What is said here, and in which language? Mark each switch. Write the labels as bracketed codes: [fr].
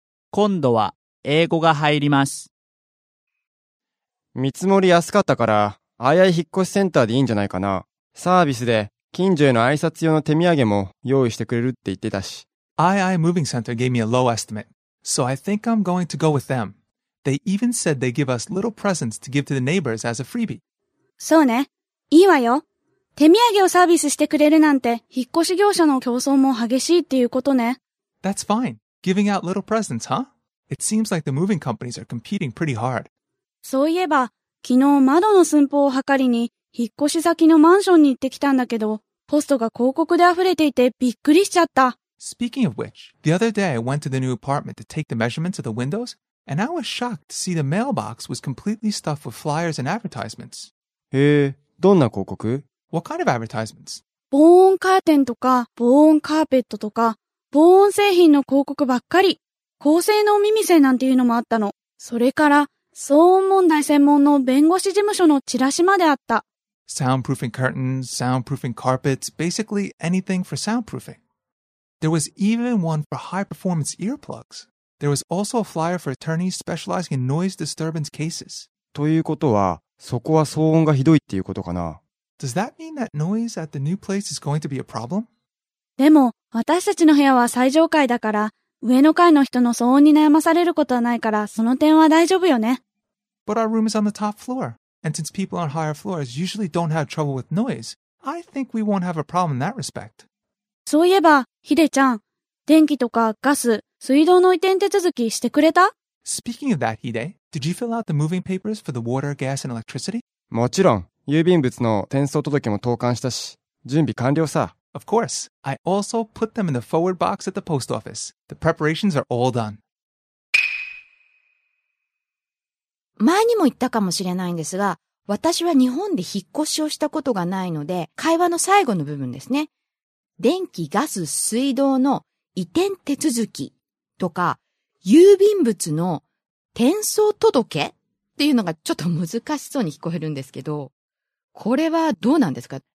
[ja] 今度は英語が入ります。見積もり安かったからあやい引っ越しセンターでいいんじゃないかな。サービスで近所への挨拶用の手土産も用意してくれるって言ってたし。 [en] II Moving Center gave me a low estimate, so I think I'm going to go with them. They even said they give us little presents to give to the neighbors as a freebie. [ja] そうね、いいわよ。手土産をサービスしてくれるなんて引っ越し業者の競争も激しいっていうことね。 [en] That's fineGiving out little presents, huh? It seems like the moving companies are competing pretty hard. [ja] そういえば、昨日窓の寸法を測りに引っ越し先のマンションに行ってきたんだけど、ポストが広告で溢れていてびっくりしちゃった。 [en] Speaking of which, the other day I went to the new apartment to take the measurements of the windows, and I was shocked to see the mailbox was completely stuffed with flyers and advertisements. [ja] へえ、どんな広告？ [en] What kind of advertisements? [ja] 防音カーテンとか防音カーペットとか防音製品の広告ばっかり。高性能耳栓なんていうのもあったの。それから騒音問題専門の弁護士事務所のチラシまであった。 [en] Soundproofing curtains, soundproofing carpets, basically anything for soundproofing. There was even one for high performance earplugs. There was also a flyer for attorneys specializing in noise disturbance cases. [ja] ということはそこは騒音がひどいっていうことかな。 [en] Does that mean that noise at the new place is going to be a problem? [ja] でも私たちの部屋は最上階だから上の階の人の騒音に悩まされることはないから、その点は大丈夫よね。 [en] But our room is on the top floor, and since people on higher floors usually don't have trouble with noise, I think we won't have a problem in that respect. [ja] そういえばひでちゃん、電気とかガス、水道の移転手続きしてくれた？ [en] Speaking of that, Hide, did you fill out the moving papers for the water, gas and electricity? [ja] もちろん、郵便物の転送届も投函したし準備完了さ。 [en] Of course, I also put them in the forward box at the post office. The preparations are all done. [ja] 前にも言ったかもしれないんですが、私は日本で引っ越しをしたことがないので、会話の最後の部分ですね。電気、ガス、水道の移転手続きとか、郵便物の転送届けっていうのがちょっと難しそうに聞こえるんですけど、これはどうなんですか？